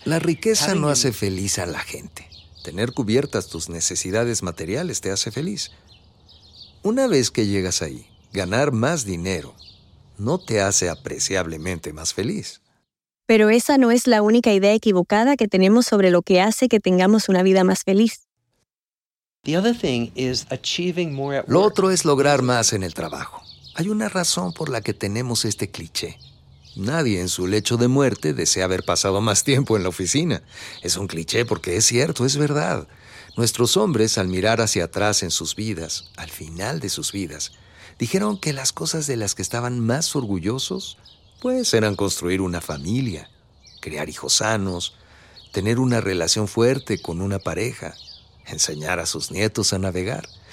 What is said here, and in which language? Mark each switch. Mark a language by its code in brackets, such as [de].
[es] La riqueza no hace feliz a la gente. Tener cubiertas tus necesidades materiales te hace feliz. Una vez que llegas ahí, ganar más dinero no te hace apreciablemente más feliz. Pero esa no es la única idea equivocada que tenemos sobre lo que hace que tengamos una vida más feliz. [en] The other thing is achieving more at work. [es] Lo otro es lograr más en el trabajo. Hay una razón por la que tenemos este cliché. Nadie en su lecho de muerte desea haber pasado más tiempo en la oficina. Es un cliché porque es cierto, es verdad. Nuestros hombres, al mirar hacia atrás en sus vidas, al final de sus vidas, dijeron que las cosas de las que estaban más orgullosos, pues, eran construir una familia, criar hijos sanos, tener una relación fuerte con una pareja, enseñar a sus nietos a navegar.